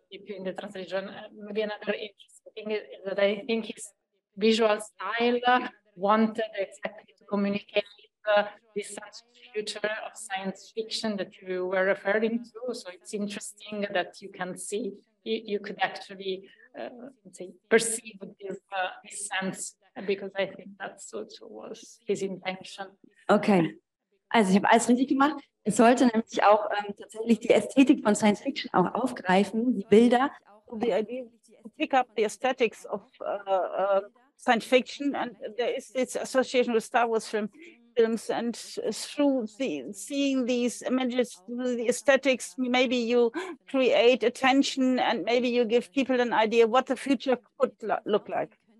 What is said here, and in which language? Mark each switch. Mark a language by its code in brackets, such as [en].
[en] In the translation, maybe another interesting thing is that I think his visual style wanted exactly to communicate this sense of future of science fiction that you were referring to. So it's interesting that you can see, you could actually perceive this sense, because I think that's also was his intention. [de] Okay. Also, ich habe alles richtig gemacht. Es sollte nämlich auch tatsächlich die Ästhetik von Science Fiction auch aufgreifen, die Bilder. [en] The idea is to pick up the aesthetics of Science Fiction, and there is this association with Star Wars films, and through seeing these images, the aesthetics, maybe you create attention, and maybe you give people an idea what the future could look like.